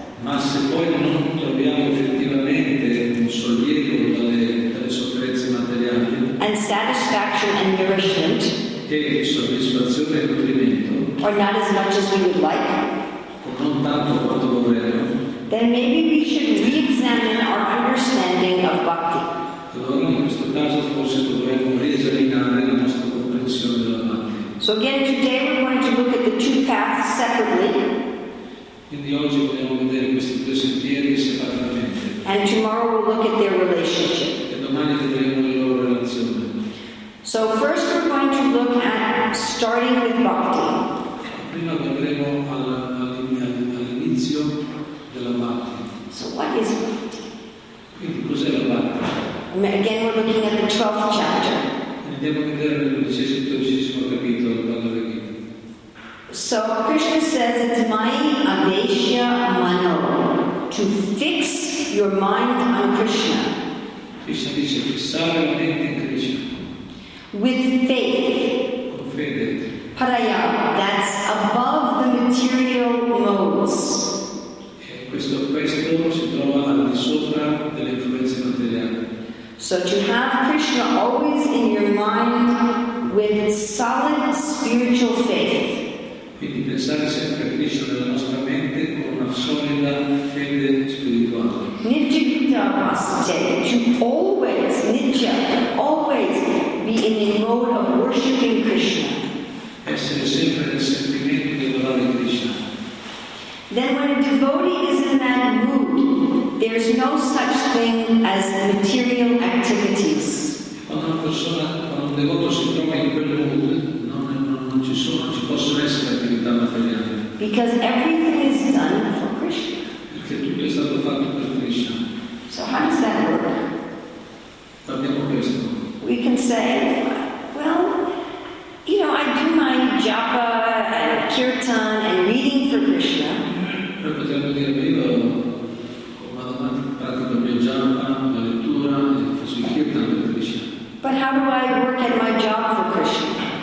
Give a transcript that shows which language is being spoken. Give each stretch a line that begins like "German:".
Italian: ma se poi non troviamo effettivamente un sollievo dalle sofferenze materiali,
English: and satisfaction and nourishment,
Italian: e soddisfazione e nutrimento,
English: or not as much as we would like,
Italian: o non tanto quanto vorremmo,
English: then maybe we should re-examine our understanding of bhakti.
Italian: Allora in questo caso forse dovremmo riesaminare la nostra comprensione della bhakti.
English: So again today we're going to look at the two paths separately.
Italian: Quindi oggi vogliamo vedere questi due sentieri separatamente.
English: And tomorrow we'll look at their relationship.
Italian: E domani vedremo le loro relazioni.
English: So first we're going to look at starting with bhakti.
Italian: Prima vedremo all'inizio della bhakti.
English: So what is bhakti?
Italian: Quindi cos'è la bhakti?
English: Again we're looking at the 12th chapter.
Italian: Andiamo a vedere il 12° capitolo della Bhagavad Gita.
English: So Krishna says, it's my avesya mano, to fix your mind on Krishna.
Italian: Krishna dice, fissare la mente in Krishna.
English: With faith.
Italian: Con fede.
English: Paraya, that's above the material modes.
Italian: Questo si trova al di sopra delle influenze materiali.
English: So to have Krishna always in your mind with solid spiritual faith.
Italian: Quindi pensare sempre a Krishna nella nostra mente con una solida fede spirituale.
English: Nitya Gita Vasate, to always, Nitya, always be in the mode of worshipping Krishna.
Italian: Essere sempre nel sentimento di adorare Krishna.
English: Then when a devotee is in that mood, there's no such thing as material activities.
Italian: Quando una persona, quando un devoto si trova in quel mood, ci possono essere attività materiali.
English: Because everything is done for Krishna.
Italian: Perché tutto è stato fatto per Krishna.
English: So how does that work?
Italian: Parliamo questo.
English: We can say, well, you know, I do my japa and kirtan and reading for Krishna.
Italian: Noi potremmo dire, io vado a parte del mio japa, la lettura e faccio il kirtan per Krishna.
English: But how do I work at my job for Krishna?